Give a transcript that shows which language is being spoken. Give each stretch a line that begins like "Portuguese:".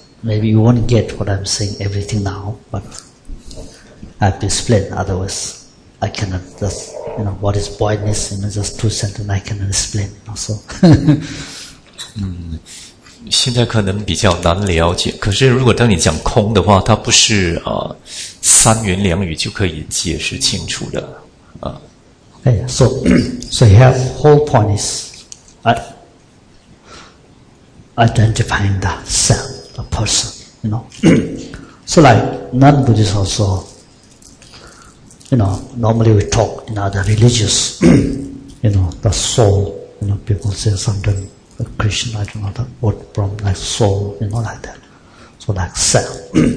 English: Maybe you won't get what I'm saying everything now, but I have to explain. Otherwise, I cannot just, you know, what is pointless, you know, just two sentences, I cannot explain. Also,
Chinese: 现在可能比较难了解。可是如果当你讲空的话，它不是啊三言两语就可以解释清楚的啊。
English: Hey, so you have whole point is, identifying the self, the person, you know. So like non-Buddhist also, you know, normally we talk in other religious, you know, the soul, you know, people say sometimes, like Krishna, I don't know the word from, like soul, you know, like that. So like self.